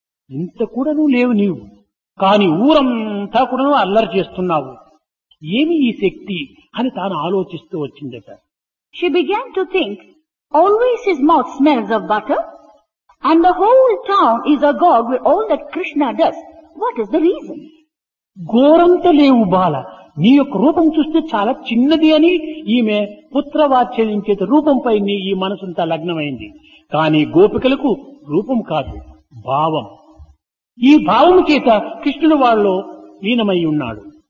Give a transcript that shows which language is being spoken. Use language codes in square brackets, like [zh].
[te] ఇంత కూడా నువ్వు లేవు నీవు, కాని ఊరంతా కూడా నువ్వు అల్లరి చేస్తున్నావు, ఏమి ఈ శక్తి అని తాను ఆలోచిస్తూ వచ్చిందట. [en] She began to think, always his mouth smells of butter and the whole town is agog with all that Krishna does. What is the reason? [te] గోరంత లేవు బాల, నీ యొక్క రూపం చూస్తే చాలా చిన్నది అని ఈమె పుత్ర వాత్సల్యం చేత రూపంపై ఈ మనసంతా లగ్నమైంది. కాని గోపికలకు రూపం కాదు, భావం. ఈ భావము చేత కృష్ణుడు వాళ్ళలో లీనమై ఉన్నాడు.